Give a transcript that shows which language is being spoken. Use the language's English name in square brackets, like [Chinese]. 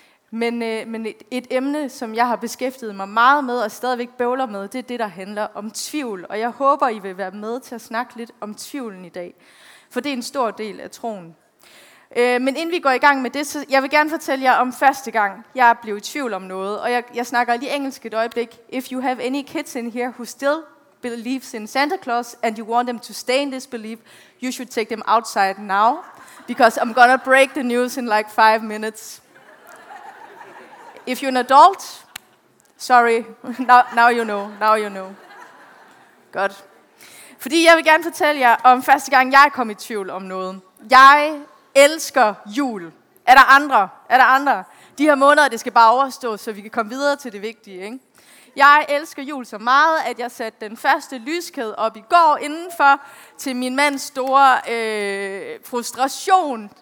[Danish] Men et emne, som jeg har beskæftiget mig meget med og stadigvæk bøvler med, det er det, der handler om tvivl. Og jeg håber, I vil være med til at snakke lidt om tvivlen i dag. For det er en stor del af troen. Men inden vi går i gang med det, så jeg vil gerne fortælle jer om første gang, jeg blev i tvivl om noget. Og jeg snakker lige engelsk et øjeblik. [English] If you have any kids in here who still believes in Santa Claus, and you want them to stay in this belief, you should take them outside now. Because I'm gonna break the news in like 5 minutes. If you're an adult, sorry, now you know, now you know. [Danish] Godt. Fordi jeg vil gerne fortælle jer om første gang, jeg kom i tvivl om noget. Jeg elsker jul. Er der andre? Er der andre? De her måneder, det skal bare overstå, så vi kan komme videre til det vigtige, ikke? Jeg elsker jul så meget, at jeg satte den første lyskæde op i går indenfor til min mands store frustration.